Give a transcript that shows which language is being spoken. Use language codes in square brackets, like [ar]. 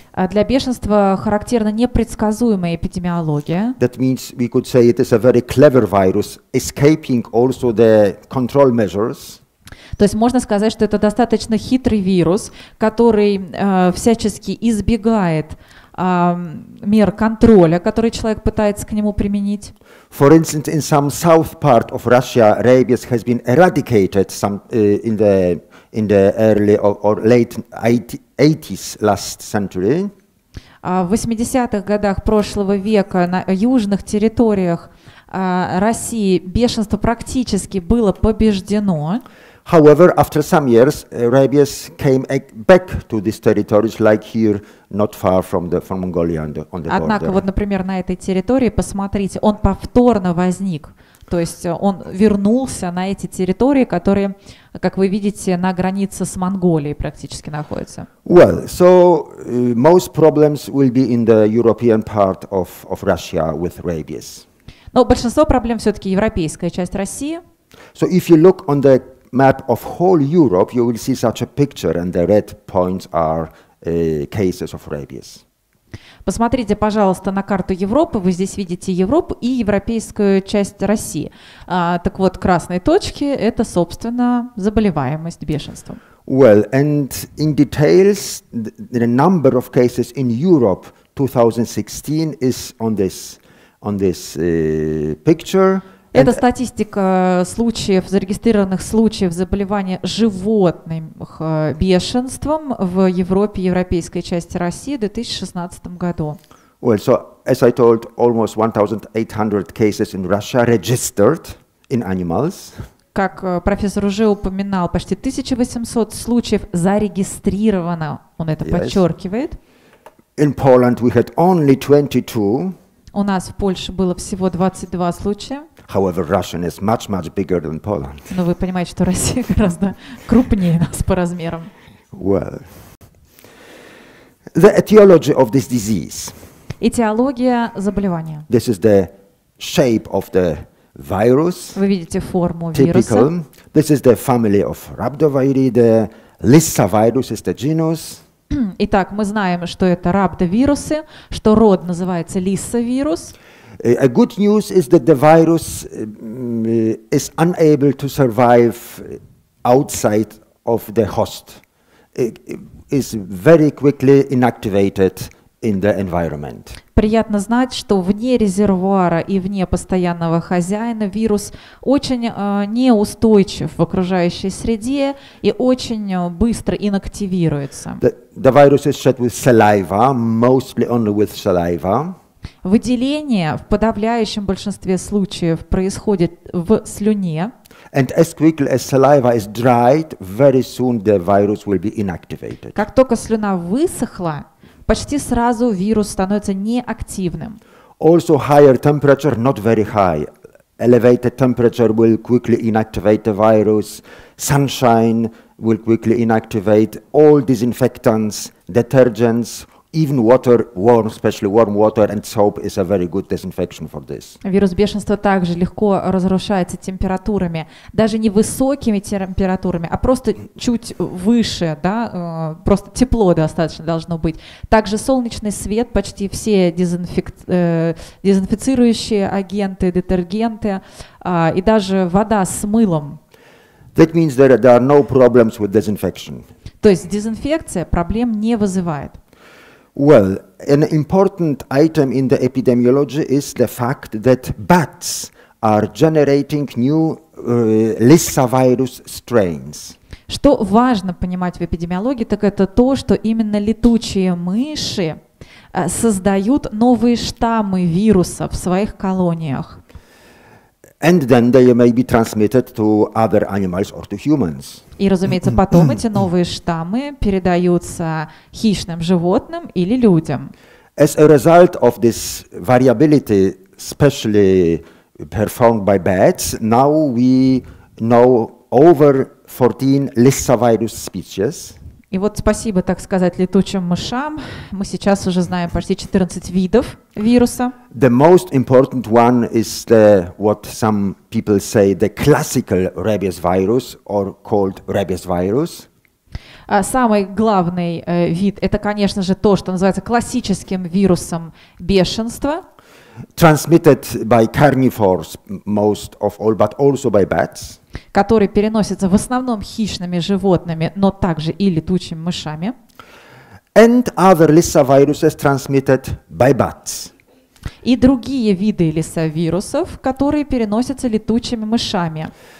[ru] Для бешенства характерна непредсказуемая эпидемиология. [en] That means we could say it is a very clever virus, escaping also the control measures. [ru] То есть можно сказать, что это достаточно хитрый вирус, который всячески избегает мер контроля, которые человек пытается к нему применить. [en] For instance, in some south part of Russia, rabies has been eradicated in the early or late 80s last century. [ru] В 80-х годах прошлого века на южных территориях России бешенство практически было побеждено. [en] However, after some years, rabies came back to these territories, like here, not far from Mongolia on the border. [ru] Однако, вот, например, на этой территории, посмотрите, он повторно возник. То есть он вернулся на эти территории, которые, как вы видите, на границе с Монголией практически находятся. [en] Well, so most problems will be in the European part of Russia with rabies. [ru] Но большинство проблем все-таки европейская часть России. [en] So if you look on the map of whole Europe, you will see such a picture, and the red points are cases of rabies. [ru] Посмотрите, пожалуйста, на карту Европы. Вы здесь видите Европу и европейскую часть России. Так вот, красные точки – это, собственно, заболеваемость бешенством. [en] Well, and in details, the number of cases in Europe 2016 is on this picture. [ru] Это статистика случаев, зарегистрированных случаев заболевания животных бешенством в Европе, европейской части России в 2016 году. [en] Well, so as I told, almost 1,800 cases in Russia registered in animals. [ru] Как профессор уже упоминал, почти 1,800 случаев зарегистрировано, он это [en] yes. [ru] подчеркивает. [en] In Poland we had only 22. [ru] У нас в Польше было всего 22 случая. [en] However, Russia is much, much bigger than Poland. [ru] Но вы понимаете, что Россия гораздо крупнее нас по размерам. [en] Well, the etiology of this disease. [ru] Этиология заболевания. [en] This is the shape of the virus. [ru] Вы видите форму [en] Typical. [ru] Вируса. [en] This is the family of rhabdoviridae. The Lyssa virus is the genus. [ru] Итак, мы знаем, что это рабдовирусы, что род называется лиссавирус. [en] A good news is that the virus is unable to survive outside of the host. It is very quickly inactivated in the environment. [ru] Приятно знать, что вне резервуара и вне постоянного хозяина вирус очень неустойчив в окружающей среде и очень быстро инактивируется. [en] The virus is shed with saliva, mostly only with saliva. [ru] Выделение в подавляющем большинстве случаев происходит в слюне. [en] And as quickly as saliva is dried, very soon the virus will be inactivated. [ru] Как только слюна высохла, почти сразу вирус становится неактивным. [en] Also higher temperature, not very high. Elevated temperature will quickly inactivate the virus. Sunshine will quickly inactivate all disinfectants, detergents, Even water, warm, especially warm water and soap is a very good disinfection for this. [ru] Вирус бешенства также легко разрушается температурами, даже не высокими температурами, а просто чуть выше, да, просто тепло достаточно должно быть. Также солнечный свет, почти все дезинфицирующие агенты, детергенты, и даже вода с мылом. [en] That means that there are no problems with disinfection. [ru] То есть дезинфекция проблем не вызывает. [en] Well, an important item in the epidemiology is the fact that bats are generating new lysavirus strains. [ru] Что важно понимать в эпидемиологии, так это то, что именно летучие мыши создают новые штаммы вируса в своих колониях. [en] And then they may be transmitted to other animals or to humans. [ru] И, разумеется, потом эти новые штаммы передаются хищным животным или людям. [en] As a result of this variability, especially performed by bats, now we know over 14 lysavirus species. [ru] И вот спасибо, так сказать, летучим мышам, мы сейчас уже знаем почти 14 видов вируса. [en] The most important one is the, what some people say, the classical rabies virus, or called rabies virus. [ru] Самый главный вид – это, конечно же, то, что называется классическим вирусом бешенства. [en] Transmitted by carnivores, most of all, but also by bats. [ru] Который переносится в основном хищными животными, но также и летучими мышами. [en] And other lysaviruses transmitted by bats. [ru] И другие виды лисавирусов, которые переносятся летучими мышами.